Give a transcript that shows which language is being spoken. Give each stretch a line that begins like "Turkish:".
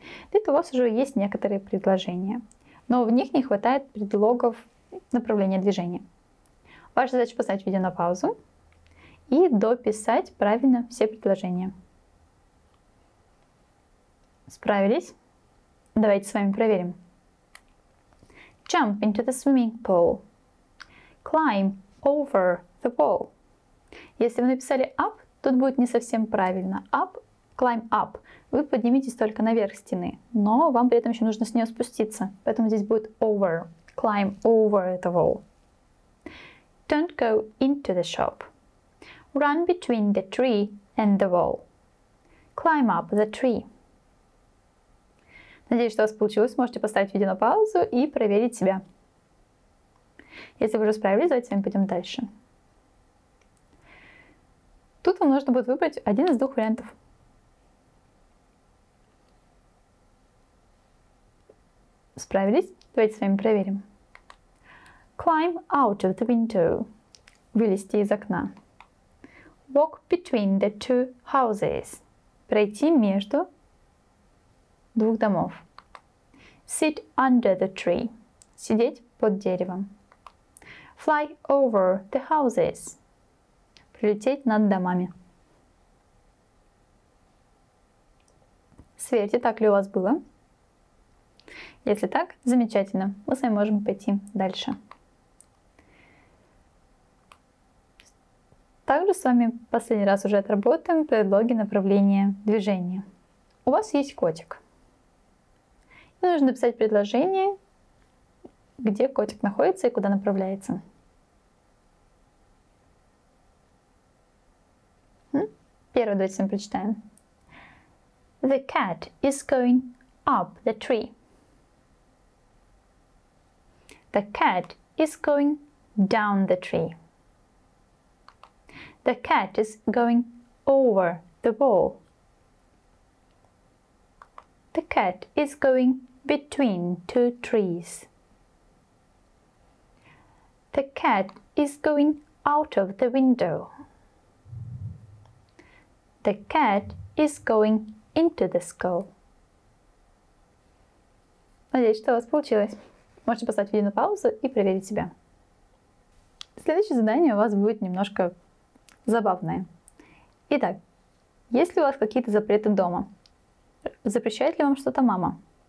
Russian: Для этого у вас уже есть некоторые предложения. Но в них не хватает предлогов направления движения. Ваша задача — поставить видео на паузу и дописать правильно все предложения. Справились? Давайте с вами проверим.
English: Jump into the swimming pool. Climb over the wall.
Russian: Если вы написали up, тут будет не совсем правильно.
English: Up, climb up.
Russian: Вы подниметесь только наверх стены, но вам при этом еще нужно с нее спуститься. Поэтому здесь будет over.
English: Climb over the wall. Don't go into the shop. Run between the tree and the wall. Climb up the tree.
Russian: Надеюсь, что у вас получилось. Можете поставить видео на паузу и проверить себя. Если вы уже справились, давайте с вами пойдем дальше. Тут вам нужно будет выбрать один из двух вариантов. Справились? Давайте с вами проверим.
English: Climb out of the window.
Russian: Вылезти из окна.
English: Walk between the two houses.
Russian: Пройти между двух домов.
English: Sit under the tree.
Russian: Сидеть под деревом.
English: Fly over the houses.
Russian: Прилететь над домами. Сверьте, так ли у вас было. Если так, замечательно. Мы с вами можем пойти дальше. Также с вами последний раз уже отработаем предлоги направления движения. У вас есть котик. И нужно написать предложение, где котик находится и куда направляется. Первое давайте с вами прочитаем.
English: The cat is going up the tree. The cat is going down the tree. The cat is going over the wall. The cat is going between two trees. The cat is going out of the window. The cat is going into the school.
Russian: Надеюсь, что у вас получилось. Можете поставить видео на паузу и проверить себя. Следующее задание у вас будет немножко забавное. Итак, есть ли у вас какие-то запреты дома? Запрещает ли вам что-то мама?